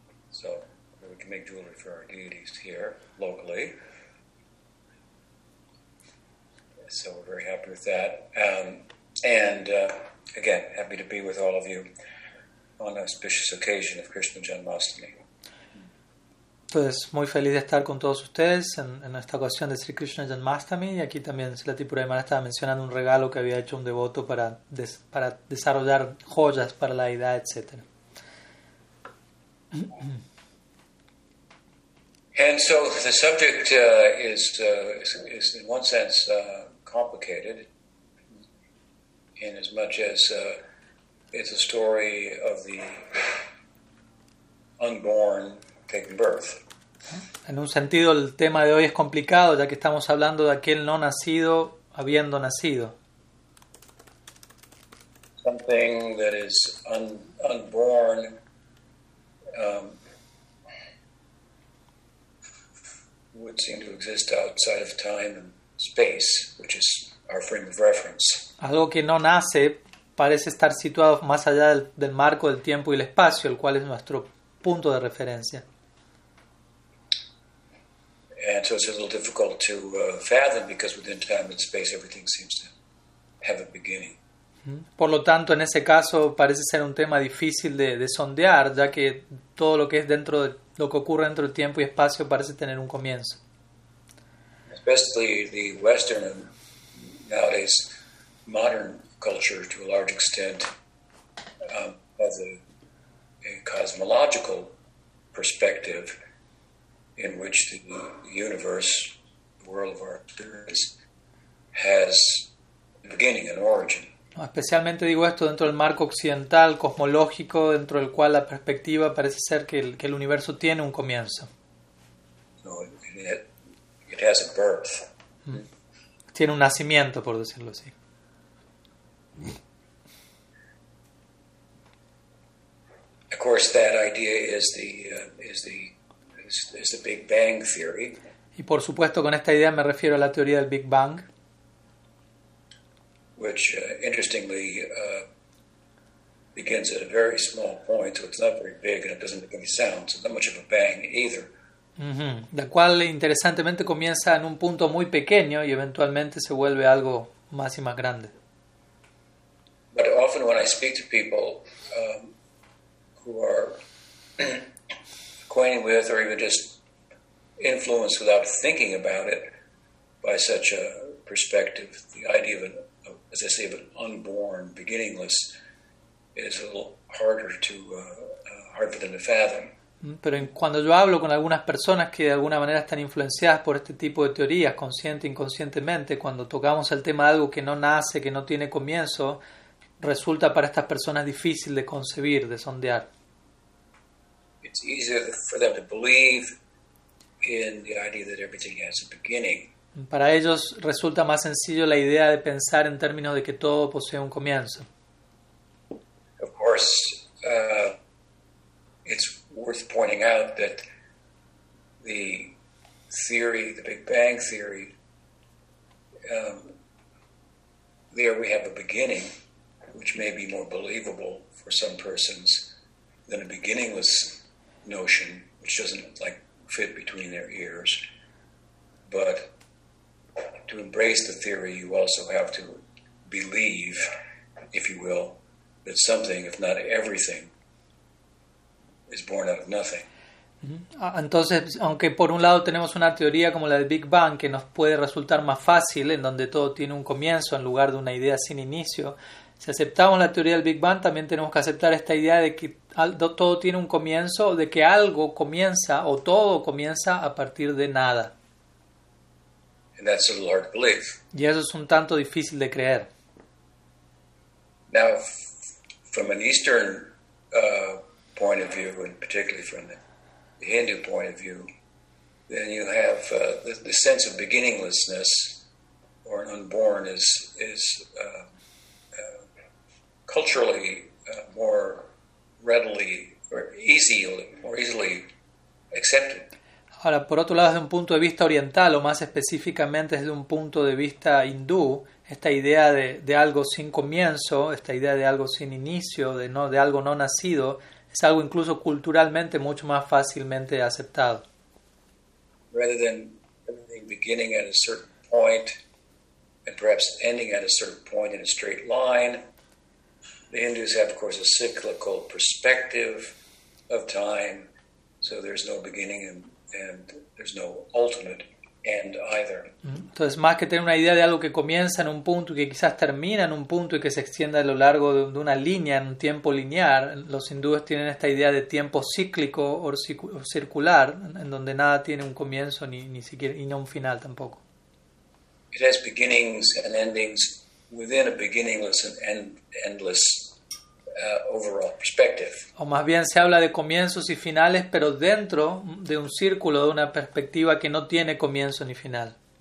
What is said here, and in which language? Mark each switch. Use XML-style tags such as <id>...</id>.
<en>So we can make jewelry for our deities here, locally. So we're very happy with that. Again, happy to be with all of you on an auspicious occasion of Krishna Janmastami.</en> <es>Entonces, muy feliz de estar con todos ustedes en esta ocasión de Sri Krishna Janmastami. Y aquí también Sri Tipuraimana estaba mencionando un regalo que había hecho un devoto para desarrollar joyas para la deidad, etc.</es> <en>And so the subject is in one sense complicated, in as much as it's a story of the unborn taking birth.</en> <es>En un sentido, el tema de hoy es complicado, ya que estamos hablando de aquel no nacido habiendo nacido.</es> <en>Something that is unborn. Would seem to exist outside of time and space, which is our frame of reference.</en> <es>Algo que no nace parece estar situado más allá del marco del tiempo y el espacio, el cual es nuestro punto de referencia.</es> <en>And so it's a little difficult to fathom because within time and space everything seems to have a beginning.</en> <es>Por lo tanto, en ese caso parece ser un tema difícil de sondear, ya que todo lo que es dentro de lo que ocurre dentro del tiempo y espacio parece tener un comienzo.</es> <en>Especially the Western and nowadays modern culture to a large extent has a cosmological perspective in which the universe, the world of our experience, has a beginning and origin.</en> <es>Especialmente digo esto dentro del marco occidental, cosmológico, dentro del cual la perspectiva parece ser que el universo tiene un comienzo.</es> <en>No, it has a birth.</en> <es>Tiene un nacimiento, por decirlo así.</es> <en>Of course, that idea is the Big Bang theory.</en> <es>Y por supuesto, con esta idea me refiero a la teoría del Big Bang.</es> <en>Which interestingly begins at a very small point, so it's not very big, and it doesn't make any sound, so not much of a bang either. Mm-hmm.</en> <es>La cual interesantemente comienza en un punto muy pequeño y eventualmente se vuelve algo más y más grande.</es> <en>But often when I speak to people who are acquainted with, or even just influenced without thinking about it, by such a perspective, the idea of as I say, but unborn, beginningless, is a little harder to hard for them to fathom.</en> <es>Pero cuando yo hablo con algunas personas que de alguna manera están influenciadas por este tipo de teorías, consciente e inconscientemente, cuando tocamos el tema de algo que no nace, que no tiene comienzo, resulta para estas personas difícil de concebir, de sondear.</es> <en>It's easier for them to believe in the idea that everything has a beginning.</en> <es>Para ellos resulta más sencillo la idea de pensar en términos de que todo posee un comienzo.</es> <en>Of course, it's worth pointing out that the theory, the Big Bang theory, there we have a beginning, which may be more believable for some persons than a beginningless notion, which doesn't like fit between their ears, but to embrace the theory, you also have to believe, if you will, that something, if not everything, is born out of nothing.</en> <es>Entonces, aunque por un lado tenemos una teoría como la del Big Bang que nos puede resultar más fácil, en donde todo tiene un comienzo en lugar de una idea sin inicio, si aceptamos la teoría del Big Bang, también tenemos que aceptar esta idea de que todo tiene un comienzo, de que algo comienza o todo comienza a partir de nada.</es> <en>And that's a little hard to believe.</en> <es>Y eso es un tanto difícil de creer.</es> <en>Now, from an Eastern point of view, and particularly from the Hindu point of view, then you have the sense of beginninglessness or an unborn is culturally more readily or e- easily accepted.</en> <es>Ahora, por otro lado, desde un punto de vista oriental, o más específicamente desde un punto de vista hindú, esta idea de algo sin comienzo, esta idea de algo sin inicio, de algo no nacido, es algo incluso culturalmente mucho más fácilmente aceptado.</es> <en>Rather than everything beginning at a certain point and perhaps ending at a certain point in a straight line, the Hindus have, of course, a cyclical perspective of time, so there's no beginning and there's no ultimate end either.</en> <es>Entonces, más que tener una idea de algo que comienza en un punto y que quizás termina en un punto y que se extienda a lo largo de una línea, en un tiempo lineal, los hindúes tienen esta idea de tiempo cíclico o circular, en donde nada tiene un comienzo ni siquiera y no un final tampoco.</es> <en>It has beginnings and endings within a beginningless and endless overall perspective.</en> <es>O más bien se habla de comienzos y finales, pero dentro de un círculo, de una perspectiva que no tiene comienzo ni final.</es>